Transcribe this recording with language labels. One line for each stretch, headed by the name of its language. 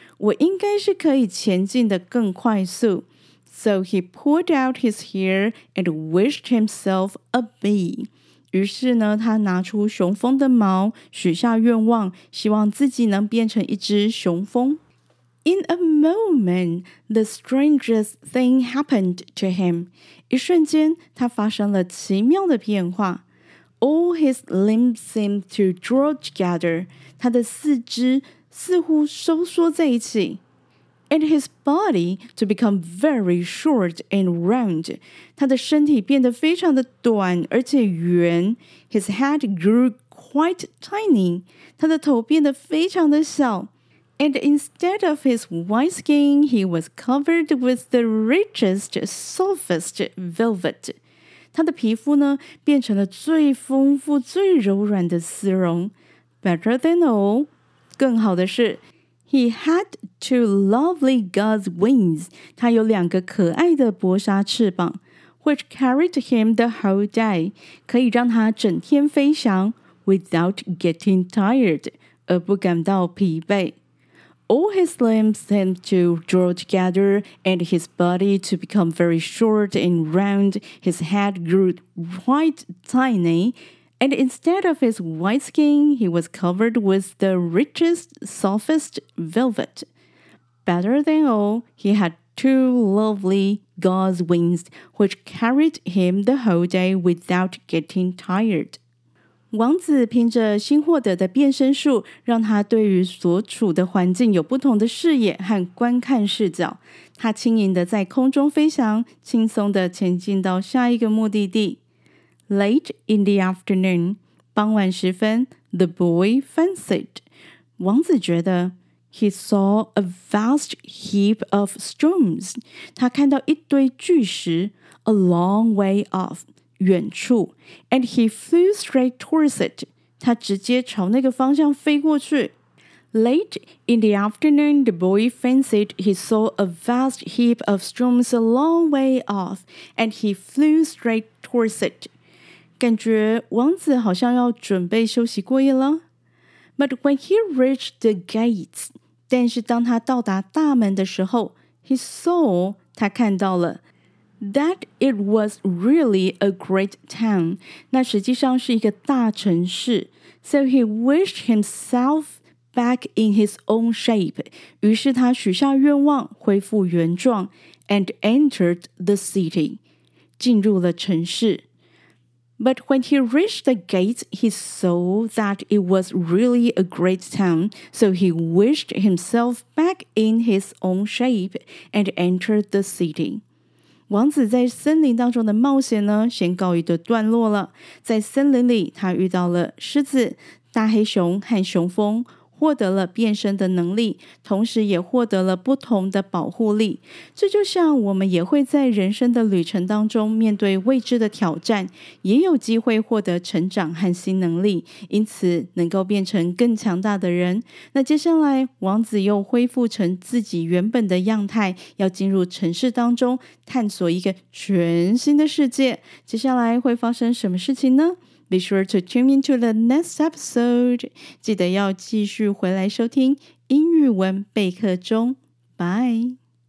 Chinese: 我应该是可以前进的更快速。
English: So he pulled out his hair and wished himself a bee.
Chinese: 于是呢，他拿出雄蜂的毛，许下愿望，希望自己能变成一只雄蜂。
English: In a moment, the strangest thing happened to him.
Chinese: 一瞬间，他发生了奇妙的变化。
English: All his limbs seemed to draw together.
Chinese: 他的四肢似乎收缩在一起。
English: And his body to become very short and round.
Chinese: 他的身体变得非常的短而且圆。
English: His head grew quite tiny.
Chinese: 他的头变得非常的小。
English: And instead of his white skin, he was covered with the richest, softest velvet.
Chinese: 他的皮肤呢，变成了最丰富、最柔软的丝绒。
English: Better than all,
Chinese: 更好的是
English: ，he had two lovely gauze wings.
Chinese: 他有两个可爱的薄纱翅膀
English: ，which carried him the whole day.
Chinese: 可以让他整天飞翔
English: ，without getting tired,
Chinese: 而不感到疲惫。
English: All his limbs seemed to draw together, and his body to become very short and round. His head grew quite tiny, and instead of his white skin, he was covered with the richest, softest velvet. Better than all, he had two lovely gauze wings, which carried him the whole day without getting tired.
Chinese: 王子凭着新获得的变身术，让他对于所处的环境有不同的视野和观看视角。他轻盈地在空中飞翔，轻松地前进到下一个目的地。
English: Late in the afternoon,
Chinese: 傍晚时分
English: the boy fancied.
Chinese: 王子觉得
English: he saw a vast heap of stones.
Chinese: 他看到一堆巨石
English: a long way off.
Chinese: 远处
English: and he flew straight towards it.
Chinese: 他直接朝那个方向飞过去。
English: Late in the afternoon, the boy fancied he saw a vast heap of stones a long way off, and he flew straight towards it.
Chinese: 感觉王子好像要准备休息过夜了。
English: But when he reached the gates,
Chinese: 但是当他到达大门的时候
English: he saw,
Chinese: 他看到了
English: That it was really a great town.
Chinese: 那实际上是一个大城市。
English: So he wished himself back in his own shape.
Chinese: 于是他许下愿望恢复原状
English: and entered the city.
Chinese: 进入了城市。
English: But when he reached the gate, he saw that it was really a great town. So he wished himself back in his own shape and entered the city.
Chinese: 王子在森林当中的冒险呢，先告一个段落了。在森林里，他遇到了狮子、大黑熊和雄蜂，获得了变身的能力，同时也获得了不同的保护力。这就像我们也会在人生的旅程当中面对未知的挑战，也有机会获得成长和新能力，因此能够变成更强大的人。那接下来，王子又恢复成自己原本的样态，要进入城市当中，探索一个全新的世界。接下来会发生什么事情呢？
English: Be sure to tune into the next episode.
Chinese: 记得要继续回来收听英语文备课中。
English: Bye!